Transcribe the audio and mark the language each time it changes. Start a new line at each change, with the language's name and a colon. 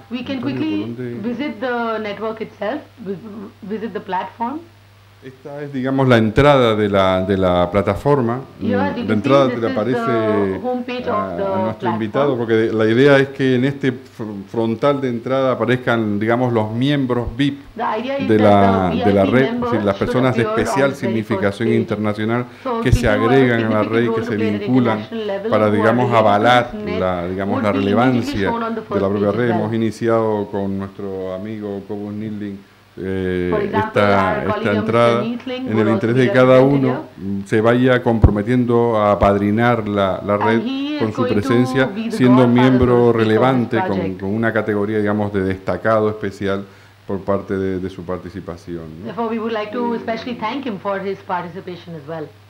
English: We can quickly visit the network itself, visit the platform.
Spanish: Esta es, digamos, la entrada de la plataforma. La entrada te aparece a nuestro invitado, porque la idea es que en este frontal de entrada aparezcan, digamos, los miembros VIP de la red, es decir, las personas de especial significación internacional que se agregan a la red, que se vinculan para, digamos, avalar la relevancia de la propia red. Hemos iniciado con nuestro amigo Cobos Nildi esta entrada, en el interés de cada uno se vaya comprometiendo a apadrinar la red con su presencia, siendo miembro relevante con una categoría, digamos, de destacado especial por parte de su participación, ¿no?
English: Therefore, we would like to especially thank him for his participation as well.